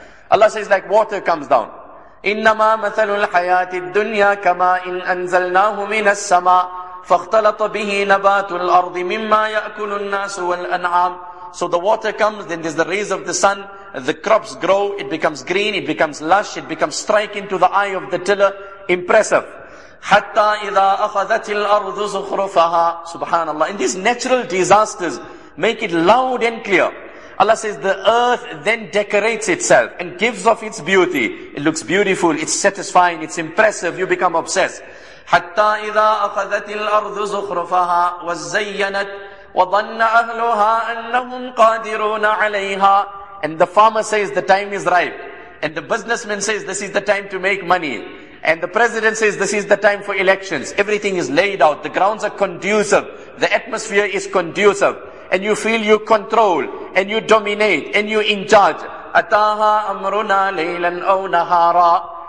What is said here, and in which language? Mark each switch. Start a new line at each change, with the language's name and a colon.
English: Allah says, like water comes down.
Arabic: إِنَّمَا مَثَلُ الْحَيَاةِ الدُّنْيَا كَمَا إِنْ أَنْزَلْنَاهُ مِنَ السَّمَاءِ فَاخْتَلَطَ بِهِ نَبَاتُ الْأَرْضِ مِمَّا يَأْكُلُ النَّاسُ وَالْأَنْعَامُ
English: So the water comes, then there's the rays of the sun, the crops grow, it becomes green, it becomes lush, it becomes striking to the eye of the tiller, impressive.
Arabic: حَتَّى إِذَا أَخَذَتِ الْأَرْضُ زُخْرُفَهَا Subhanallah.
English: And these natural disasters make it loud and clear. Allah says the earth then decorates itself and gives off its beauty. It looks beautiful, it's satisfying, it's impressive, you become obsessed.
Arabic: حَتَّى إِذَا أَخَذَتِ الْأَرْضُ زُخْرُفَهَا وَزَّيَّنَتْ وَظَنَّ أَهْلُهَا أَنَّهُمْ قَادِرُونَ عَلَيْهَا
English: And the farmer says the time is ripe. And the businessman says this is the time to make money. And the president says this is the time for elections. Everything is laid out. The grounds are conducive. The atmosphere is conducive. And you feel you control. And you dominate. And you in charge.
Arabic: Ataha amruna laylan aw nahara.